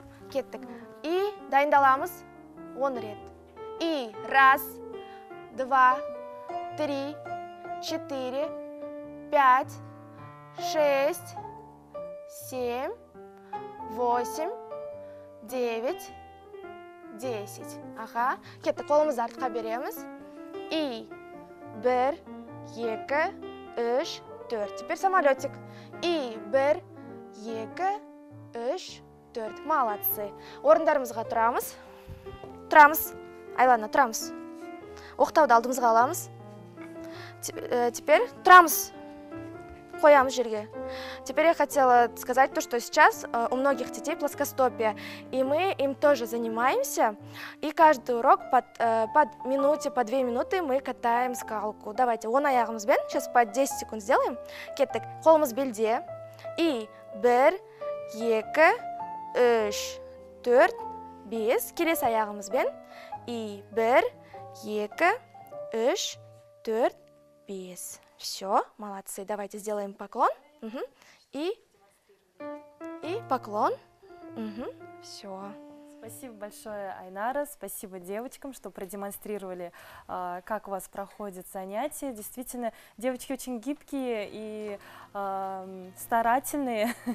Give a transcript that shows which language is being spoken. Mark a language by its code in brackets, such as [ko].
[kk] Кеттік. И дайындаламыз. Он рет. [ru] И раз, два, три, четыре, пять, шесть, семь, восемь, девять, десять. Ага. [kk] Кеттік, қолымызды артқа береміз. И бір, екі, үш, төрт. [ru] Теперь самолетик. [kk] И бір, екі, үш, төрт. [ru] Молодцы. [kk] Орындарымызға тұрамыз. Тұрамыз. Айлана, тұрамыз. Оқтауды алдымызға аламыз. Теперь тұрамыз. Қоямыз жерге. [ru] Теперь я хотела сказать то, что сейчас у многих детей плоскостопие, и мы им тоже занимаемся, и каждый урок под минуте, по две минуты мы катаем скалку. Давайте, [kk] он аяғымызбен, [ru] сейчас по 10 секунд сделаем. [kk] Кеттік, қолымыз белде, и бір, екі, үш, төрт, бес, келес аяғымызбен, и бір, екі, үш, төрт, бес. [ru] Все, молодцы. Давайте сделаем поклон. И поклон. Все. Спасибо большое, Айнара. Спасибо девочкам, что продемонстрировали, как у вас проходит занятие. Действительно, девочки очень гибкие и старательные.